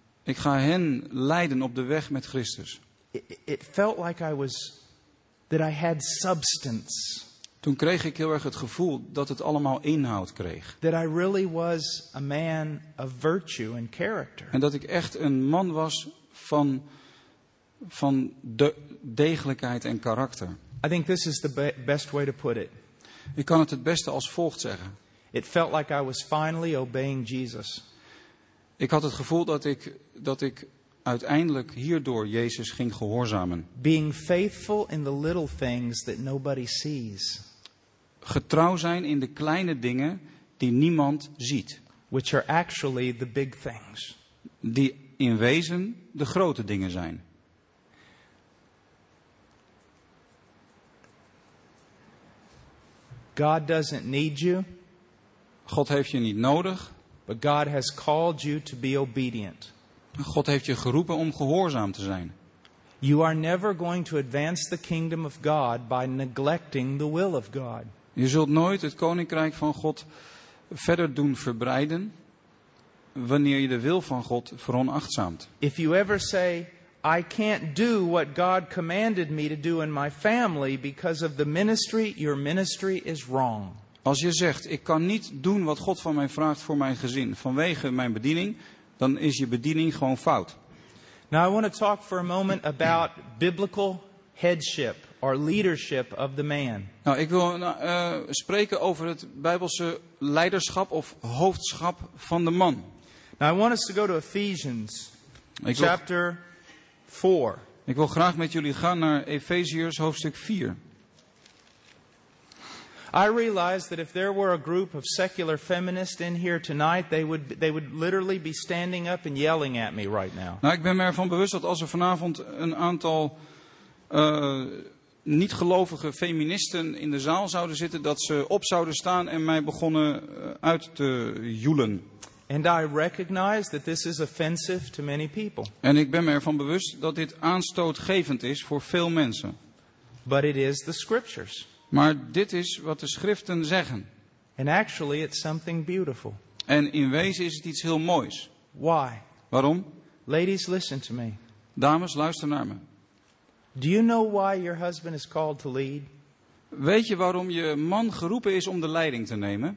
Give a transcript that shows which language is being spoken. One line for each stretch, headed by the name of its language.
Dutch: Ik ga hen leiden op de weg met Christus.
English: It felt like I was, that I had substance.
Dutch: Toen kreeg ik heel erg het gevoel dat het allemaal inhoud kreeg.
English: That I really was a man of virtue and character.
Dutch: En dat ik echt een man was van de degelijkheid en karakter.
English: I think this is the best way to put it.
Dutch: Ik kan het beste als volgt zeggen.
English: It felt like I was finally obeying Jesus.
Dutch: Ik had het gevoel dat ik uiteindelijk hierdoor Jezus ging gehoorzamen.
English: Being faithful in the little things that nobody sees.
Dutch: Getrouw zijn in de kleine dingen die niemand ziet.
English: Which are actually the big things.
Dutch: Die in wezen de grote dingen zijn.
English: God doesn't need you.
Dutch: God heeft je niet nodig.
English: But God has called you to be obedient.
Dutch: God heeft je geroepen om gehoorzaam te zijn.
English: You are never going to advance the kingdom of God by neglecting the will of God.
Dutch: Je zult nooit het koninkrijk van God verder doen verbreiden wanneer je de wil van God veronachtzaamt.
English: If you ever say, I can't do what God commanded me to do in my family because of the ministry, your ministry is wrong.
Dutch: Als je zegt, ik kan niet doen wat God van mij vraagt voor mijn gezin vanwege mijn bediening, dan is je bediening gewoon fout.
English: Now I want to talk for a moment about biblical headship or leadership of the man.
Dutch: Nou, ik wil spreken over het Bijbelse leiderschap of hoofdschap van de man.
English: Now I want us to go to Ephesians chapter 4.
Dutch: Ik wil graag met jullie gaan naar Efeziërs hoofdstuk 4.
English: I realize that if there were a group of secular feminists in here tonight, they would literally be standing up and yelling at me right now.
Dutch: Nou, ik ben me ervan bewust dat als er vanavond een aantal niet gelovige feministen in de zaal zouden zitten, dat ze op zouden staan en mij begonnen uit te joelen.
English: And I recognize that this is offensive to many people.
Dutch: En ik ben me ervan bewust dat dit aanstootgevend is voor veel mensen.
English: But it is the scriptures.
Dutch: Maar dit is wat de schriften zeggen.
English: And actually it's something beautiful.
Dutch: En in wezen is het iets heel moois.
English: Why?
Dutch: Waarom?
English: Ladies, listen to me.
Dutch: Dames, luister naar me.
English: Do you know why your husband is called to lead?
Dutch: Weet je waarom je man geroepen is om de leiding te nemen?